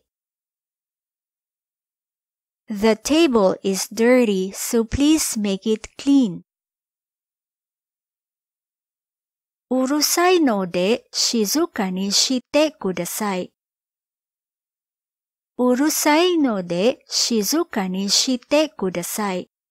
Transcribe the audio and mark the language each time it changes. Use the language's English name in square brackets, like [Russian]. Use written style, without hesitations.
[Japanese] テーブルが汚いので きれいにしてください。 [English] The table is dirty, so please make it clean. [Japanese] うるさいので静かにしてください。うるさいので静かにしてください。